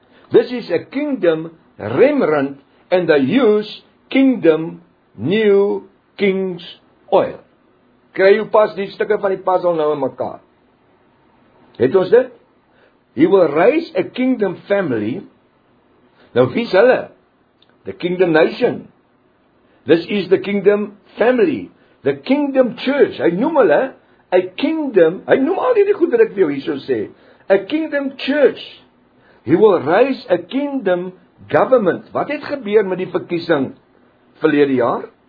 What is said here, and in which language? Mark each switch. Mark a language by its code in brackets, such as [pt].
[en] This is a kingdom remnant and they use kingdom new king's oil. [af] Kry jou pas die stukke van die puzzle nou in mekaar. Het ons dit? [en] He will raise a kingdom family. [af] Nou wie is hulle? [en] The kingdom nation. This is the kingdom family. The kingdom church. [af] Hy noem hulle [en] a kingdom. [af] Hy noem al die goed wat ek vir jou hierso sê. [en] A kingdom church. He will raise a kingdom government. [af] Wat het gebeur met die verkiesing verlede jaar?